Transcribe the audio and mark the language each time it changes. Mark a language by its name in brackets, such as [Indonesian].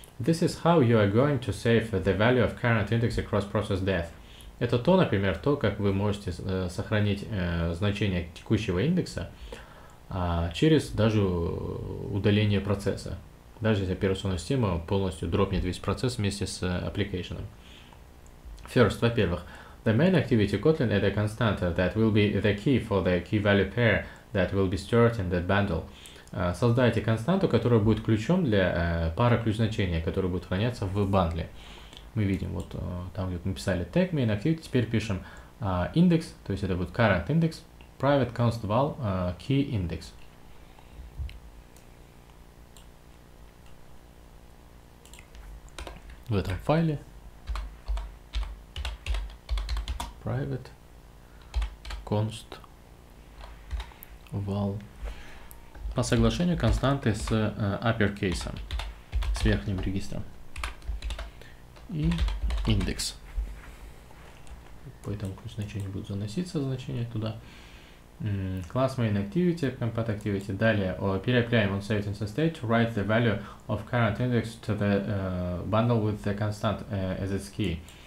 [English] This is how you are going to save the value of current index across process death. [Russian] Это то, например, то, как вы можете сохранить значение текущего индекса через даже удаление процесса. Даже если операционная система полностью дропнет весь процесс вместе с application. [English] First, [Russian] во-первых, [English] the main activity Kotlin is a constant that will be the key for the key value pair that will be stored in that bundle. [Russian] Создайте константу, которая будет ключом для пары ключ значения, которые будут храниться в бандле. Мы видим, вот там, где мы писали tag main activity, теперь пишем index, то есть это будет current index, [English] private const val key index. [Russian] В этом файле. [English] private const val. [Russian] По соглашению константы с uppercase, с верхним регистром. И index. Поэтому пусть значения будут заноситься, значения туда. Класс mainActivity, compatActivity. Далее, переопляем [English] on set instance state to write the value of current index to the bundle with the constant as its key.